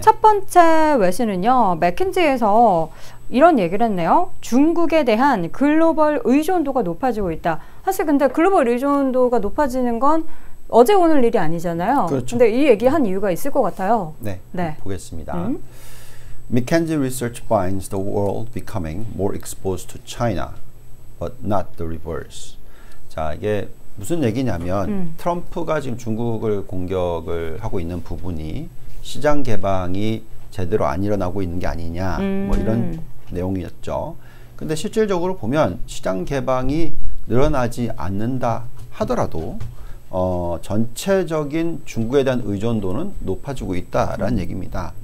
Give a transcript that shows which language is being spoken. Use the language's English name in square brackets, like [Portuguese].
[Korean] 첫 번째 외신은요, 맥킨지에서 이런 얘기를 했네요. 중국에 대한 글로벌 의존도가 높아지고 있다. 사실 근데 글로벌 의존도가 높아지는 건 어제 오늘 일이 아니잖아요. 그런데 그렇죠. 이 얘기 한 이유가 있을 것 같아요. 네, 네. 보겠습니다. [English] McKinsey research finds the world becoming more exposed to China, but not the reverse. [Korean] 자, 이게 무슨 얘기냐면 트럼프가 지금 중국을 공격을 하고 있는 부분이 시장 개방이 제대로 안 일어나고 있는 게 아니냐, 뭐 이런 내용이었죠. 그런데 실질적으로 보면 시장 개방이 늘어나지 않는다 하더라도 전체적인 중국에 대한 의존도는 높아지고 있다라는 얘기입니다.